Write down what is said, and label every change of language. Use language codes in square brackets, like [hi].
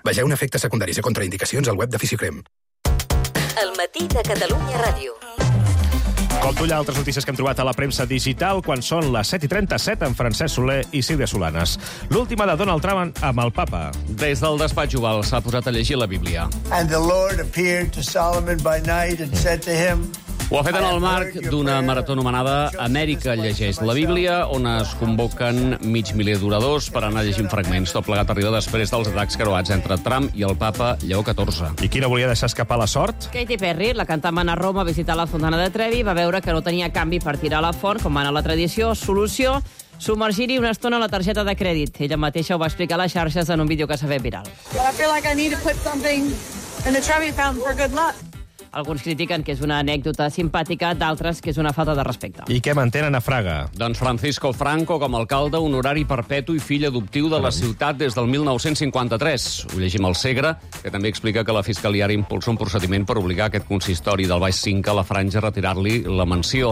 [ca] Vegeu un efecte secundari i contraindicacions al web de Fisiocrem. El matí de Catalunya Ràdio. Compto allà altres notícies que hem trobat a la premsa digital quan són les 7:37 amb Francesc Soler i Sílvia Solanes. L'última de Donald Trump amb el papa. Des del despatx Oval s'ha posat a llegir la Bíblia. [en] And the Lord appeared to Solomon by night and said to him... [ca] Ho ha fet en el marc d'una marató anomenada Amèrica llegeix la Bíblia, on es convoquen mig miler d'oradors per anar llegint fragments. Tot plegat arriba després dels atacs creuats entre Trump i el papa Lleó XIV. I quina volia deixar escapar la sort? Katy Perry, la cantant va anar a Roma a visitar la Fontana de Trevi, va veure que no tenia canvi per tirar la font, com mana la tradició, solució... submergir-hi una estona la targeta de crèdit. Ella mateixa ho va explicar a les xarxes en un vídeo que s'ha fet viral. [en] I feel like I need to put something in the Trevi fountain for good luck. [ca] Alguns critiquen que és una anècdota simpàtica, d'altres que és una falta de respecte. I què mantenen a Fraga? Doncs Francisco Franco com a alcalde honorari perpetu i fill adoptiu de la ciutat des del 1953. Ho llegim al Segre, que també explica que la Fiscalia ara impulsa un procediment per obligar aquest consistori del Baix Cinca a la Franja a retirar-li la menció.